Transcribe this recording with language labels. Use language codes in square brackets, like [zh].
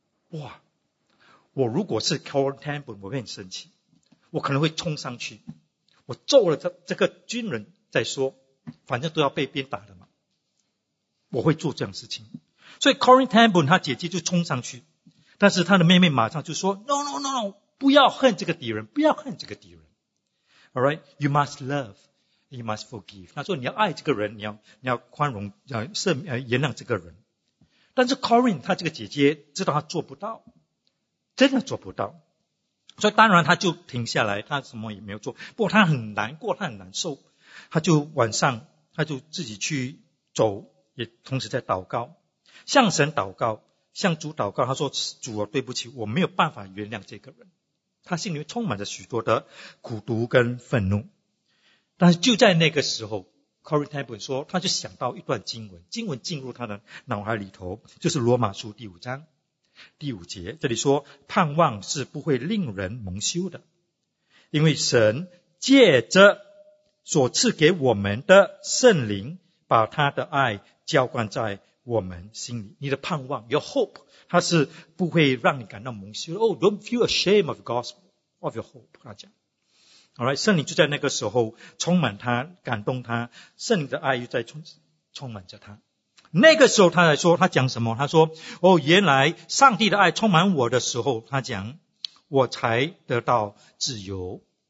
[zh] 哇，我如果是 Corrie Ten Boom， 我会很生气，我可能会冲上去，我揍了这个军人再说，反正都要被鞭打的嘛。我会做这样的事情。所以 Corrie Ten Boom 他姐姐就冲上去，但是他的妹妹马上就说 ： [en] “No no no no。” [zh] 不要恨这个敌人，不要恨这个敌人。 [en] All right, you must love, you must forgive. [zh] 他说你要爱这个人，你要宽容，要赦免，原谅这个人。但是 Corrie 他这个姐姐知道他做不到，真的做不到，所以当然他就停下来，他什么也没有做。不过他很难过，他很难受，他就晚上他就自己去走，也同时在祷告，向神祷告，向主祷告。他说：“主啊，对不起，我没有办法原谅这个人。”他心里面充满着许多的苦毒跟愤怒。但是就在那个时候 Corey Ten Boom 说他就想到一段经文，经文进入他的脑海里头，就是罗马书第五章第五节，这里说盼望是不会令人蒙羞的，因为神借着所赐给我们的圣灵把他的爱浇灌在我们心里。你的盼望 [en] Your hope [zh] 它是不会让你感到蒙羞的。 [en] Oh, don't feel ashamed of gospel of your hope [zh] 他讲。 [en] Alright, [zh] 圣灵就在那个时候充满他，感动他，圣灵的爱又在 充满着他。那个时候他来说，他讲什么？他说哦，原来上帝的爱充满我的时候，他讲我才得到自由。